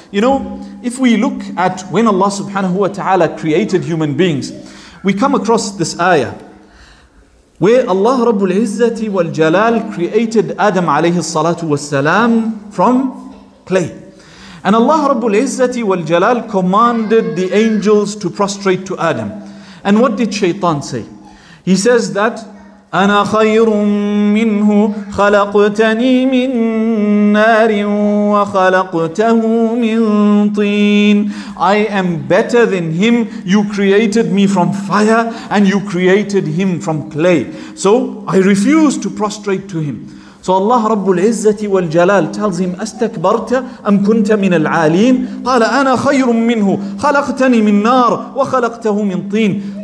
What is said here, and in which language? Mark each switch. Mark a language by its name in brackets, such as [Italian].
[English] You know, if we look at when Allah subhanahu wa ta'ala created human beings, we come across this ayah where Allah Rabbul Izzati wal Jalal created Adam alayhi salatu wa salam from clay. And Allah Rabbul Izzati wal Jalal commanded the angels to prostrate to Adam. And what did Shaytan say? He says that, [Arabic] أَنَا خَيْرٌ مِّنْهُ خَلَقْتَنِي مِن نَارٍ وَخَلَقْتَهُ مِن طِينٍ. [English] I am better than him. You created me from fire and you created him from clay. So I refuse to prostrate to him. So Allah Rabbul Izzati wal Jalal tells him, [Arabic] أَسْتَكْبَرْتَ أَمْ كُنْتَ مِنَ الْعَالِينَ؟ قَالَ أَنَا خَيْرٌ مِّنْهُ خَلَقْتَنِي مِنْ نَارٍ وَخَلَقْتَهُ مِنْ طِينٍ.